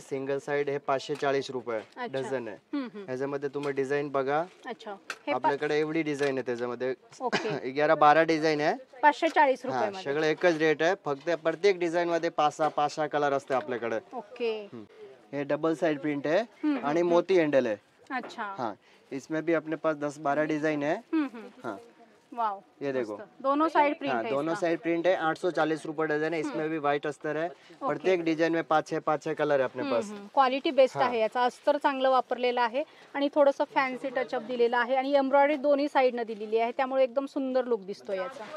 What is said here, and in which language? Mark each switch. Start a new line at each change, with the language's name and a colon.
Marathi: Single side हे 540 रुपये dozen आहे. ह्याच्यामध्ये तुम्ही डिझाईन बघा. अच्छा. आपल्याकडे एवढी डिझाईन आहे त्याच्यामध्ये. 11-12 डिझाईन आहे. 540 रुपये सगळं एकच रेट आहे. फक्त प्रत्येक डिझाईन मध्ये 5-6 कलर असते आपल्याकडे. ओके. हे डबल साइड प्रिंट आहे आणि मोती हँडल आहे. अच्छा.
Hindi: हाँ, इसमें भी अपने पास 10-12 डिजाइन है. हाँ, ये देखो दोनों साइड प्रिंट. हाँ, दोनों साइड प्रिंट है. 840 रुपए डजन है. इसमें भी व्हाइट अस्तर है. प्रत्येक डिजाइन में 5-6 कलर है अपने पास. क्वालिटी बेस्ट है.
Marathi: याचा अस्तर चांगले वापरलेला आहे आणि थोडं सा फैंसी टचअप दिलेला आहे आणि एम्ब्रॉयडरी दोन्ही साइड ने दिलेली आहे, त्यामुळे एकदम सुंदर लुक दिसतो याचा.